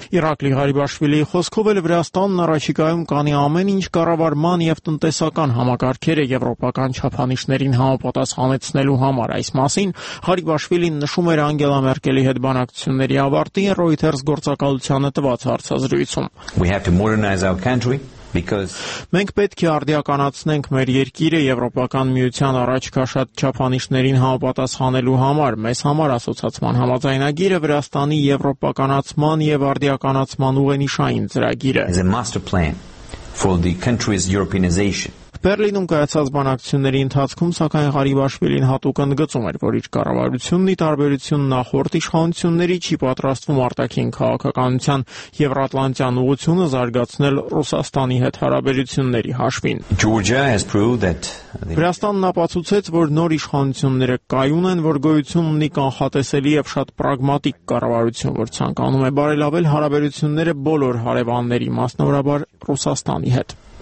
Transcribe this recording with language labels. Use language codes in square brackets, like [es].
[hy] Իրակլի Ղարիբաշվիլիի խոսքով էլ Վրաստանն առաջիկայում կանի ամեն ինչ կառավարման և տնտեսական համակարգերը եվրոպական չափանիշներին համապատասխանեցնելու համար։ Այս մասին Ղարիբաշվիլին նշում էր Անգելա Մերկելի հետ բանակցությունների ավարտին Ռոյթերս գործակալությանը տված հարցազրույցում։ Մենք պետք է արդիականացնենք մեր երկիրը Եվրոպական միության առաջկա չափանիշներին համապատասխանելու համար։ Մեզ համար ասոցացման համաձայնագիրը Վրաստանի Եվրոպականացման և արդիականացման ուղենիշային ծրագիրը։ [en] It's a master plan for the country's Europeanization. [hy] Բեռլինում կայացած բանակցությունների ընթացքում, սակայն, Ղարիբաշվիլին հատուկ ընդգծում էր, որ իր կառավարությունն ի տարբերություն նախորդ իշխանությունների չի պատրաստվում արտաքին քաղաքականության եվրատլանտյան ուղությունը զարգացնել Ռուսաստանի հետ հարաբերությունների հաշվին։ Վրաստանն ապացուցեց, որ նոր իշխանությունները կայուն են, որ գոյություն ունի կանխատեսելի և շատ պրագմատիկ կառավարություն, որ ցանկանում է բարելավել հարաբերությունները բոլոր հարևանների, մասնավորապես Ռուսաստանի հետ։